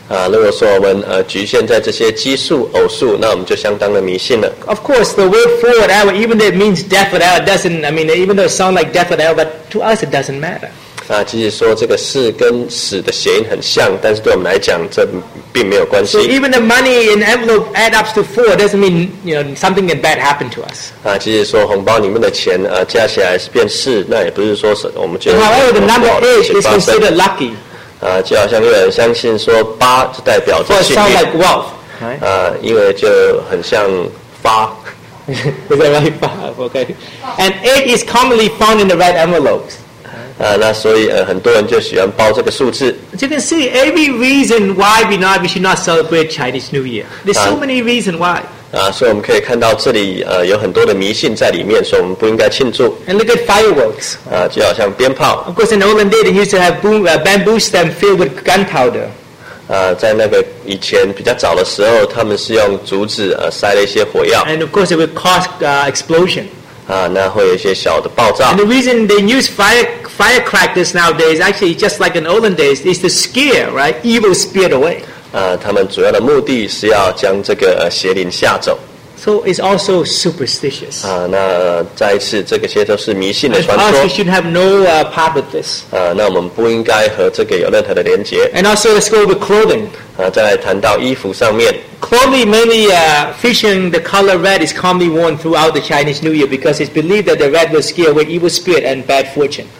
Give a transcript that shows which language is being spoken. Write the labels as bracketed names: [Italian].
[Chinese] 如果说我们 局限在这些奇数, 偶数, 那我们就相当的迷信了。 [English] Of course, the word for whatever, even though it means death or hell, doesn't, I mean, even though it sounds like death or hell, but to us it doesn't matter. [Chinese] 其实说这个事跟死的谐音很像, 但是对我们来讲, 这并没有关系。 [English] So even the money in envelope add up to four doesn't mean, you know, something bad happened to us. [Chinese] 其实说红包里面的钱, 加起来变四, 那也不是说我们觉得, [English] however, the number eight is considered lucky. [Chinese] 就好像有人相信说八, 就代表着幸运。 [English] For it sounds like wealth, right? [Chinese] 因为就很像发。 [English] Is that right? 发, okay. And eight is commonly found in the red envelopes. [Chinese] 那所以很多人就喜欢包这个数字。 [English] You can see every reason why we should not celebrate Chinese New Year. There's so many reasons why. [Chinese] 所以我们可以看到这里有很多的迷信在里面，所以我们不应该庆祝。 [English] And look at fireworks. [Chinese] 就好像鞭炮。 [English] Of course, in olden days, they used to have bamboo stems filled with gunpowder. [Chinese] 在那个以前比较早的时候，他们是用竹子 塞了一些火药。 [English] And of course, it would cause explosion. [Chinese] 那会有一些小的爆炸。 [English] And the reason they use firecrackers nowadays, actually just like in olden days, is to scare, right, evil spirit away. [Chinese] 他们主要的目的是要将这个 邪灵吓走。 [English] So it's also superstitious. [Chinese] 那再一次这些都是迷信的传说。 [English] We should have no part with this. [Chinese] 那我们不应该和这个有任何的连结。 [English] And also let's go with clothing. [Chinese] 再来谈到衣服上面。 [English] Clothing mainly featuring the color red is commonly worn throughout the Chinese New Year because it's believed that the red will scare away evil spirit and bad fortune.